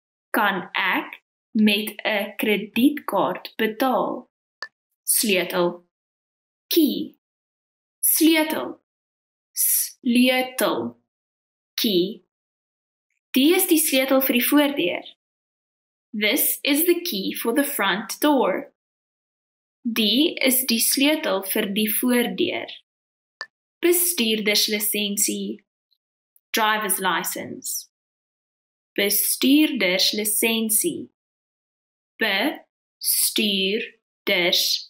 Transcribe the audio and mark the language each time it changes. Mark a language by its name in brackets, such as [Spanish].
[Afrikaans] Kan ek met 'n kredietkaart betaal? Sleutel. [English] Key. [Afrikaans] Sleutel. Sleutel. [English] Key. [Afrikaans] Die is die sleutel vir die voordeur. [English] This is the key for the front door. [Afrikaans] Die is die sleutel vir die voordeur. Bestuurderslisensie. [English] Driver's license. [Afrikaans] Bestuurderslisensie. Bestuurders